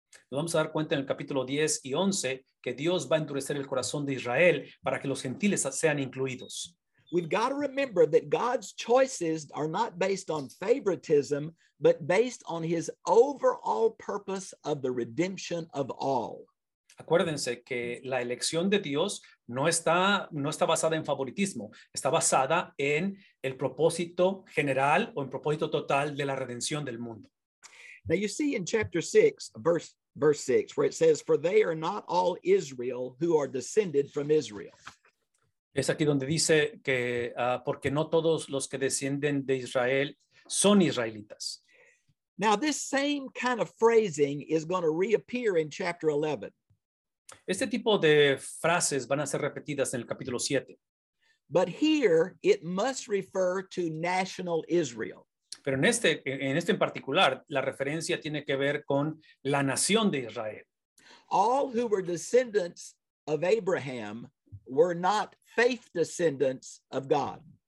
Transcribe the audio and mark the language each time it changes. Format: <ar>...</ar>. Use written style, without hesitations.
<es>Nos vamos a dar cuenta en el capítulo 10 y 11 que Dios va a endurecer el corazón de Israel para que los gentiles sean incluidos.</es> <en>We've got to remember that God's choices are not based on favoritism, but based on his overall purpose of the redemption of all.</en> <es>Acuérdense que la elección de Dios no está basada en favoritismo, está basada en el propósito general o en propósito total de la redención del mundo.</es> <en>Now you see in chapter 6, verse 6, where it says, "For they are not all Israel who are descended from Israel."</en> <es>Es aquí donde dice que porque no todos los que descienden de Israel son israelitas.</es> <en>Now this same kind of phrasing is going to reappear in chapter 11.</en> <es>Este tipo de frases van a ser repetidas en el capítulo 7.</es> <en>But here it must refer to national Israel.</en> <es>Pero en este en particular, la referencia tiene que ver con la nación de Israel.</es> <en>All who were descendants of Abraham were not faith descendants of God.</en>